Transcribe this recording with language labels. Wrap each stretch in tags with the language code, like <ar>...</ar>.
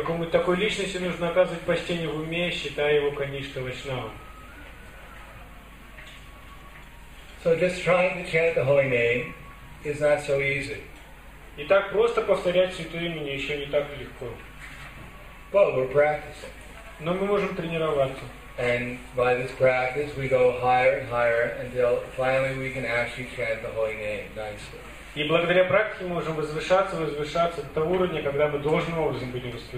<ru>Такой личности нужно оказывать почтение в уме, считая его Канишка Вайшнавом.</ru> <en>So just trying to chant the holy name is not so easy.</en> <ru>И так просто повторять святое имя еще не так легко.</ru> <en>But we're practicing.</en> <ru>Но мы можем тренироваться.</ru> <en>And by this practice we go higher and higher until finally we can actually chant the holy name nicely.</en> <ru>И благодаря практике мы можем возвышаться до того уровня, когда мы должным образом будем</ru>